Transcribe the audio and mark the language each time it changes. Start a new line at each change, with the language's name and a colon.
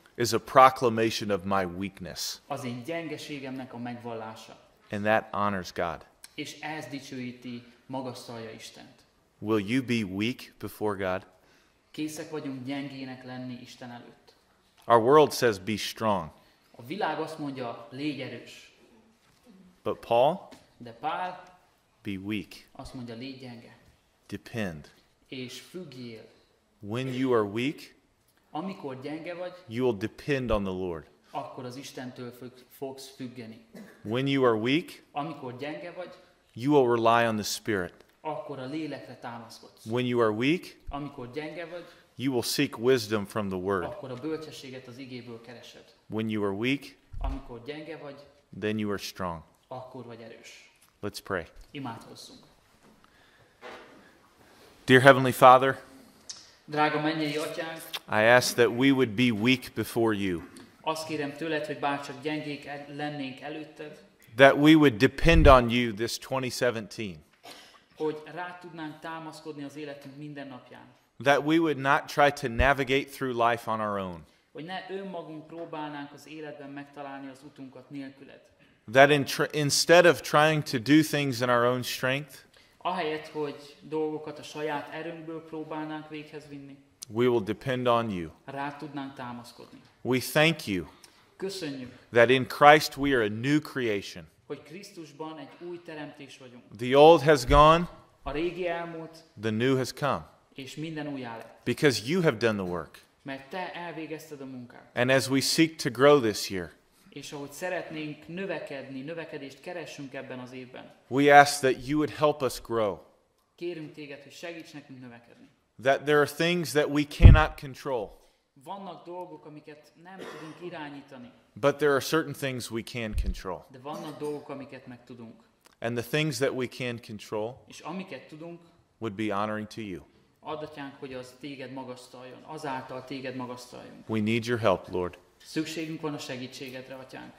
English: is a proclamation of my weakness.
Hungarian: Az én gyengeségemnek a megvallása.
English: And that honors God.
Hungarian: És ez dicsőíti, magasztalja Istent.
English: Will you be weak before God?
Hungarian: Készek vagyunk gyengének lenni Isten előtt.
English: Our world says be strong.
Hungarian: A világ azt mondja, légy erős.
English: But Paul?
Hungarian: De Pál?
English: Be weak.
Hungarian: Azt mondja, légy gyenge.
English: Depend.
Hungarian: És függjél.
English: When you are weak,
Hungarian: amikor gyenge vagy,
English: you will depend on the Lord.
Hungarian: Akkor az Istentől fogsz függeni.
English: When you are weak,
Hungarian: amikor gyenge vagy,
English: you will rely on the Spirit.
Hungarian: Akkor a lélekre támaszkodsz.
English: When you are weak,
Hungarian: amikor gyenge vagy,
English: you will seek wisdom from the Word.
Hungarian: Akkor a bölcsességet az igéből keresed.
English: When you are weak,
Hungarian: amikor gyenge vagy,
English: then you are strong.
Hungarian: Akkor vagy erős.
English: Let's pray.
Hungarian: Imádkozzunk.
English: Dear Heavenly Father,
Hungarian: drága mennyei atyánk,
English: I ask that we would be weak before you.
Hungarian: Azt kérem tőled, hogy bárcsak gyengék lennénk előtted.
English: That we would depend on you this 2017.
Hungarian: Hogy rá tudnánk támaszkodni az életünk minden napján.
English: That we would not try to navigate through life on our own.
Hungarian: Hogy ne önmagunk próbálnánk az életben megtalálni az utunkat nélküled.
English: That instead of trying to do things in our own strength,
Hungarian: ahelyett, hogy dolgokat a saját erőnkből próbálnánk véghez vinni,
English: we will depend on you.
Hungarian: Rá tudnánk támaszkodni.
English: We thank you.
Hungarian: Köszönjük.
English: That in Christ we are a new creation.
Hungarian: Hogy Krisztusban egy új teremtés vagyunk.
English: The old has gone.
Hungarian: A régi elmúlt.
English: The new has come.
Hungarian: És minden újjá lett.
English: Because you have done the work.
Hungarian: Mert te elvégezted a munkát.
English: And as we seek to grow this year,
Hungarian: és ahogy szeretnénk növekedni, növekedést keresünk ebben az évben,
English: we ask that you would help us grow.
Hungarian: Kérünk téged, hogy segíts nekünk növekedni.
English: That there are things that we cannot control.
Hungarian: Vannak dolgok, amiket nem tudunk irányítani.
English: But there are certain things we can control.
Hungarian: De vannak dolgok, amiket meg tudunk.
English: And the things that we can control,
Hungarian: és amiket tudunk,
English: would be honoring to you.
Hungarian: Add atyánk, hogy az téged magasztaljon, azáltal téged magasztaljunk.
English: We need your help, Lord.
Hungarian: Szükségünk van a segítségedre, atyánk.